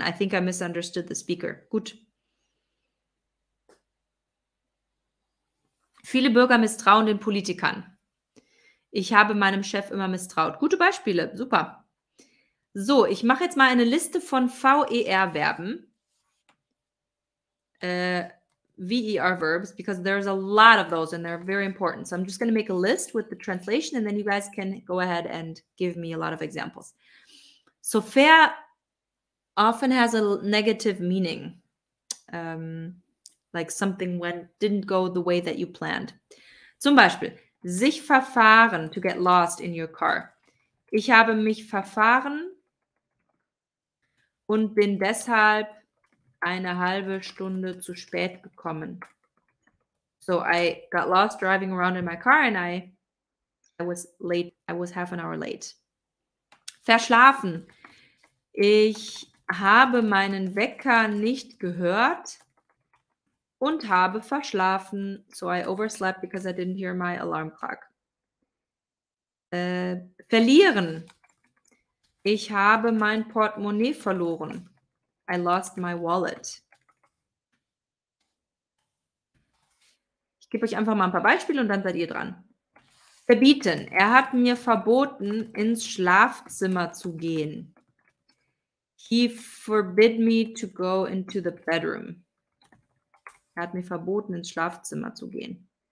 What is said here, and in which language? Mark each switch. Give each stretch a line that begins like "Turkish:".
English: I think I misunderstood the speaker.
German: Gut. Viele Bürger misstrauen den Politikern. Ich habe meinem Chef immer misstraut. Gute Beispiele, super. So, ich mache jetzt mal eine Liste von VER-Verben.
English: VER-Verbs, because there's a lot of those and they're very important. So I'm just going to make a list with the translation and then you guys can go ahead and give me a lot of examples. So fair often has a negative meaning. Like something didn't go the way that you planned.
German: Zum Beispiel,
English: sich verfahren, to get lost in your car.
German: Ich habe mich verfahren und bin deshalb eine halbe Stunde zu spät gekommen.
English: So I got lost driving around in my car and I was half an hour late. Verschlafen.
German: Ich habe meinen Wecker nicht gehört und habe verschlafen.
English: So I overslept because I didn't hear my alarm clock.
German: Verlieren. Ich habe mein Portemonnaie verloren.
English: I lost my wallet.
German: Ich gebe euch einfach mal ein paar Beispiele und dann seid ihr dran. Verbieten. Er hat mir verboten, ins Schlafzimmer zu gehen.
English: He forbid me to go into the bedroom.
German: Er hat mir verboten, ins Schlafzimmer zu gehen.